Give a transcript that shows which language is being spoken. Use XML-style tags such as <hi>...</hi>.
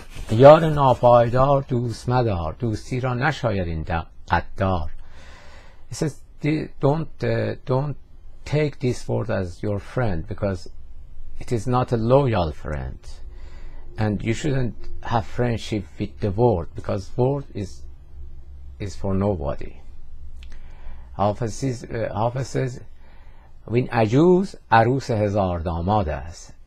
<fa>یار ناپایدار دوست مدار، دوستی را نشاید این قدار.</fa> <en>He says don't take this word as your friend because it is not a loyal friend, and you shouldn't have friendship with the world because world is for nobody. Hafez says</en> <fa>وین عجوز عروس هزار داماد است.</fa>